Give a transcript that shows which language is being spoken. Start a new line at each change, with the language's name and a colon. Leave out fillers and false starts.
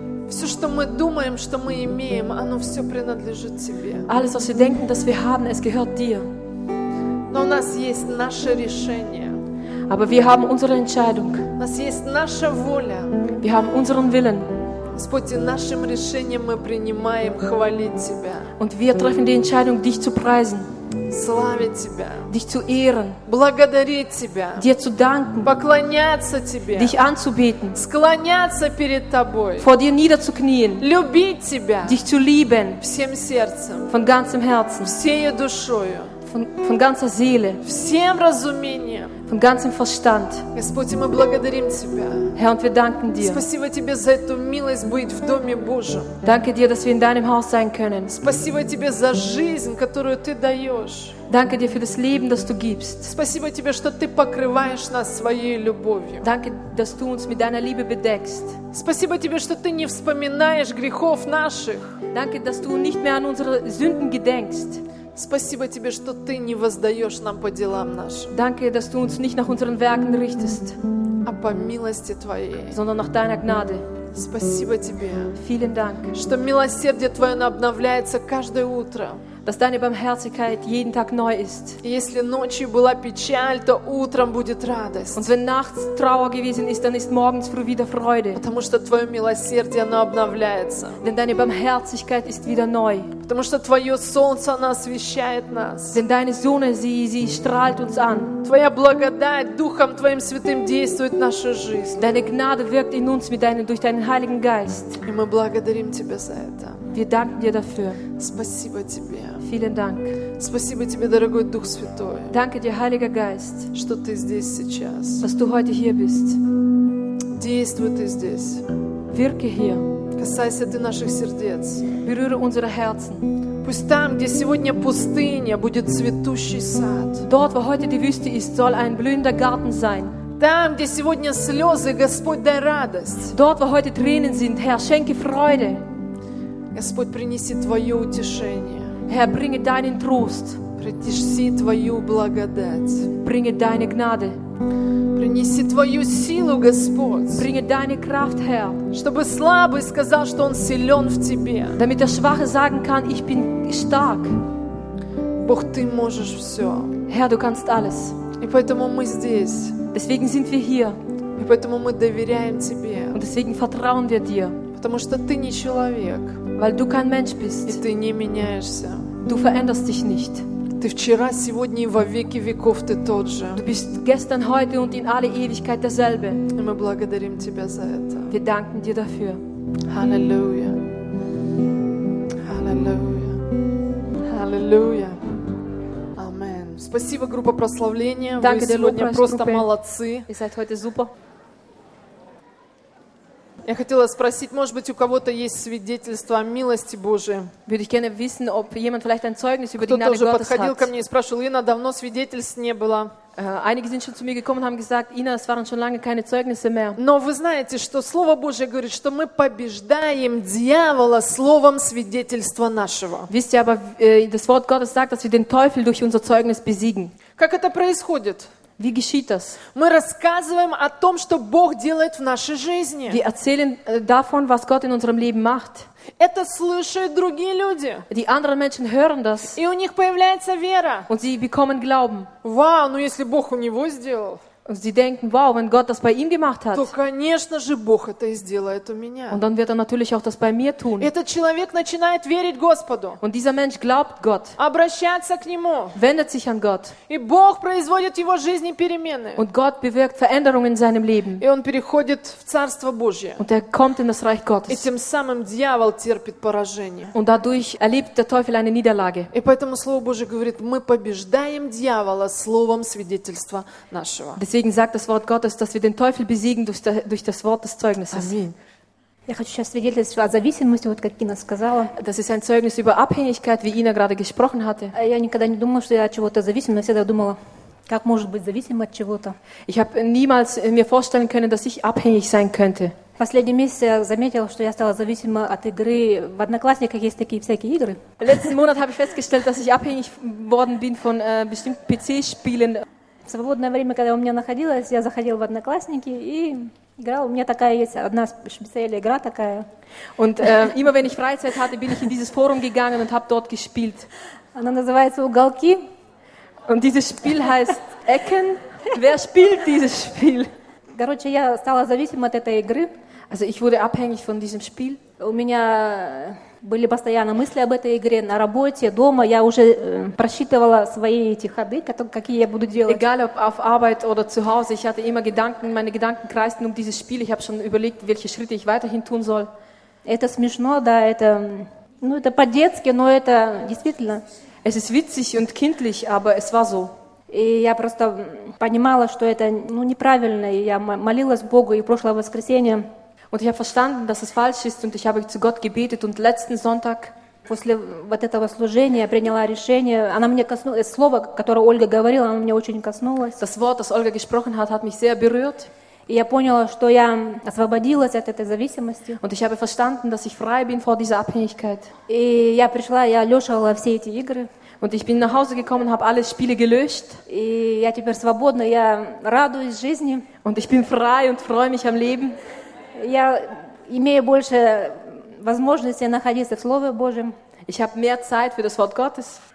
Russian: Все, что мы думаем, что мы имеем, оно все принадлежит тебе.
German: Alles, was wir denken, das wir haben, es gehört dir.
Russian: Но у нас есть наше решение.
German: Aber wir haben unsere Entscheidung.
Russian: У нас есть наша воля.
German: Wir haben unseren Willen.
Russian: Господи, нашим решением мы принимаем хвалить тебя.
German: Und wir treffen die Entscheidung, dich zu preisen.
Russian: Славить тебя.
German: Dich zu ehren.
Russian: Благодарить тебя.
German: Dir zu danken.
Russian: Поклоняться тебе.
German: Dich anzubeten.
Russian: Склоняться перед тобой.
German: Vor dir niederzuknien.
Russian: Любить тебя.
German: Dich zu lieben.
Russian: Всем сердцем.
German: Von ganzem Herzen.
Russian: Всею душою.
German: Von ganzer Seele.
Russian: Всем разумением.
German: Von ganzem Verstand.
Russian: Господи, мы благодарим тебя.
German: Herr, und wir danken dir.
Russian: Спасибо тебе за эту милость быть в доме Божьем.
German: Danke dir, dass wir in deinem Haus sein können.
Russian: Спасибо тебе за жизнь, которую ты даешь.
German: Danke dir für das Leben, das du gibst.
Russian: Спасибо тебе, что ты покрываешь нас своей любовью.
German: Danke, dass du uns mit deiner Liebe bedeckst.
Russian: Спасибо тебе, что ты не вспоминаешь грехов наших.
German: Danke, dass du nicht mehr an unsere Sünden gedenkst.
Russian: Спасибо тебе, что ты не воздаешь нам по делам нашим.
German: Danke, dass du uns nicht nach unseren Werken richtest.
Russian: А по милости твоей.
German: Sondern nach deiner Gnade.
Russian: Спасибо тебе.
German: Vielen Dank.
Russian: Что милосердие твое обновляется каждое утро.
German: Dass deine Barmherzigkeit jeden Tag neu ist.
Russian: Если ночью была печаль, то утром будет радость.
German: Und wenn nachts Trauer gewesen ist, dann ist morgens früh wieder Freude.
Russian: Потому что твое милосердие оно обновляется.
German: Denn deine Barmherzigkeit ist wieder neu.
Russian: Потому что твое солнце оно освещает нас.
German: Denn deine Sonne sie strahlt uns an.
Russian: Твоя благодать духом твоим святым действует в нашу жизнь.
German: Deine Gnade wirkt in uns mit deinem durch deinen Heiligen Geist.
Russian: И мы благодарим тебя за это.
German: Wir danken dir dafür.
Russian: Спасибо тебе.
German: Vielen Dank.
Russian: Спасибо тебе, дорогой Дух Святой.
German: Danke dir, Heiliger Geist.
Russian: Что ты здесь сейчас.
German: Dass du heute hier bist.
Russian: Действуй ты здесь.
German: Wirke hier.
Russian: Касайся ты наших сердец.
German: Berühre unsere Herzen.
Russian: Пусть там, где сегодня пустыня, будет цветущий сад.
German: Dort, wo heute die Wüste ist, soll ein blühender Garten sein.
Russian: Там, где сегодня слезы, Господь, дай радость.
German: Dort, wo heute Tränen sind, Herr, schenke Freude.
Russian: Господь, принеси Твое утешение.
German: Herr, bringe deinen Trost.
Russian: Принеси Твою благодать.
German: Bringe deine Gnade.
Russian: Принеси Твою силу, Господь.
German: Bringe deine Kraft, Herr.
Russian: Чтобы слабый сказал, что он силен в Тебе.
German: Damit der Schwache sagen kann, ich bin stark.
Russian: Бог, Ты можешь все.
German: Herr, du kannst alles.
Russian: И поэтому мы здесь.
German: Deswegen sind wir hier.
Russian: И поэтому мы доверяем Тебе.
German: Und deswegen vertrauen wir Dir.
Russian: Потому что ты не человек.
German: Weil du kein Mensch bist.
Russian: И ты не меняешься.
German: Du veränderst dich nicht.
Russian: Ты вчера, сегодня и во веки веков ты тот же.
German: Du bist gestern, heute und in alle Ewigkeit derselbe.
Russian: И мы благодарим тебя за это.
German: Wir danken dir dafür. Halleluja. Halleluja. Halleluja. Amen.
Russian: Спасибо, группа прославления.
German: Danke,
Russian: вы сегодня просто молодцы.
German: Ihr seid heute super.
Russian: Я хотела спросить, может быть, у кого-то есть свидетельство о милости Божией?
German: Würde ich gerne wissen, ob jemand vielleicht ein Zeugnis über die Gnade Gottes hat.
Russian: Кто-то уже подходил ко мне и спрашивал, Ина, давно свидетельств не было.
German: Einige sind schon zu mir gekommen und haben gesagt, Ina, es waren schon lange keine Zeugnisse mehr.
Russian: Но вы знаете, что Слово Божие говорит, что мы побеждаем дьявола словом свидетельства нашего.
German: Wisst ihr aber, das Wort Gottes sagt, dass wir den Teufel durch unser Zeugnis besiegen.
Russian: Как это происходит?
German: Wie geschieht das?
Russian: Мы рассказываем о том, что Бог делает в нашей жизни.
German: Wir erzählen davon, was Gott in unserem Leben macht.
Russian: Это слышат другие люди.
German: Die anderen Menschen hören das.
Russian: И у них появляется вера.
German: Und sie bekommen Glauben.
Russian: Wow, ну если Бог у него сделал.
German: Und sie denken, wow, wenn Gott das bei ihm gemacht hat.
Russian: То, конечно же, Бог это и сделает у меня.
German: Und dann wird er natürlich auch das bei mir tun.
Russian: Этот человек начинает верить Господу.
German: Und dieser Mensch glaubt Gott.
Russian: Обращается к нему.
German: Wendet sich an Gott.
Russian: И Бог производит его жизни перемены.
German: Und Gott bewirkt Veränderungen in seinem Leben.
Russian: И он переходит в Царство Божие.
German: Und er kommt in das Reich Gottes.
Russian: И тем самым дьявол терпит поражение.
German: Und dadurch erlebt der Teufel eine Niederlage.
Russian: И поэтому Слово Божие говорит, мы побеждаем дьявола словом свидетельства нашего.
German: Deswegen sagt das Wort Gottes, dass wir den Teufel besiegen durch das Wort des Zeugnisses. Amen.
Russian: Я хочу сейчас свидетельствовать о зависимости, вот как Ина сказала.
German: Das ist ein Zeugnis über Abhängigkeit, wie Ina gerade gesprochen hatte.
Russian: Я никогда не думала, что я от чего-то зависима, но всегда думала, как может быть зависима от чего-то.
German: Ich habe niemals mir vorstellen können, dass ich abhängig sein könnte.
Russian: Последний месяц я заметила, что я стала зависима от игры. В Одноклассниках есть такие всякие игры.
German: Letzten Monat habe ich festgestellt, dass ich abhängig worden bin von bestimmten PC-Spielen.
Russian: В свободное время, когда у меня находилось, я заходила в Одноклассники и играла. У меня такая есть одна специальная игра такая.
German: Und immer wenn ich Freizeit hatte, bin ich in dieses Forum gegangen und habe dort gespielt.
Russian: Она называется «Уголки».
German: Und dieses Spiel heißt «Ecken». Wer spielt dieses Spiel?
Russian: Короче, я стала зависима от этой игры.
German: Also ich wurde abhängig von diesem Spiel.
Russian: У меня были постоянно мысли об этой игре на работе, дома. Я уже просчитывала свои эти ходы, какие я буду делать.
German: Egal ob auf Arbeit oder zu Hause, ich hatte immer Gedanken, meine Gedanken kreisten um dieses Spiel. Ich habe schon überlegt, welche Schritte ich weiterhin tun soll.
Russian: Это смешно, да, это, ну, это по-детски, но это действительно.
German: Es ist witzig und kindlich, aber es war so.
Russian: И я просто понимала, что это, ну, неправильно. И я молилась Богу и прошлое воскресенье.
German: Und ich habe verstanden, dass es falsch ist, und ich habe zu Gott gebetet. Und letzten Sonntag,
Russian: после вот этого служения, я приняла решение. Она мне коснулась. Слово, которое Ольга говорила, оно мне очень коснулось.
German: Das Wort, das Olga gesprochen hat, hat mich sehr berührt.
Russian: И я поняла, что я освободилась от этой зависимости.
German: Und ich habe verstanden, dass ich frei bin vor dieser Abhängigkeit.
Russian: И я пришла, я лёшила все эти игры.
German: Und ich bin nach Hause gekommen, habe alle Spiele gelöscht.
Russian: И я теперь свободна, я радуюсь жизни.
German: Und ich bin frei und freue mich am Leben.
Russian: Я имею больше возможности находиться в Слове Божьем.
German: Ich habe mehr Zeit für das Wort Gottes.